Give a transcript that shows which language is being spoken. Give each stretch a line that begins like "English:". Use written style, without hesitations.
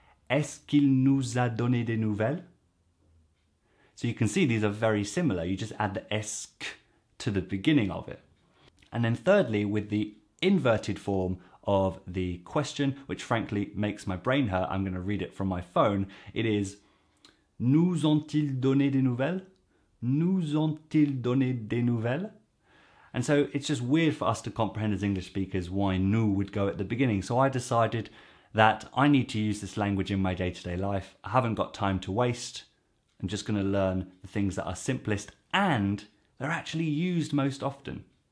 French: Est-ce qu'il nous a donné des nouvelles?
English: So you can see these are very similar. You just add the est-ce to the beginning of it. And then thirdly, with the inverted form of the question, which frankly makes my brain hurt, I'm going to read it from my phone. It is,
French: nous ont-ils donné des nouvelles? Nous ont-ils donné des nouvelles?
English: And so it's just weird for us to comprehend as English speakers why nous would go at the beginning. So I decided that I need to use this language in my day-to-day life. I haven't got time to waste. I'm just going to learn the things that are simplest and they're actually used most often.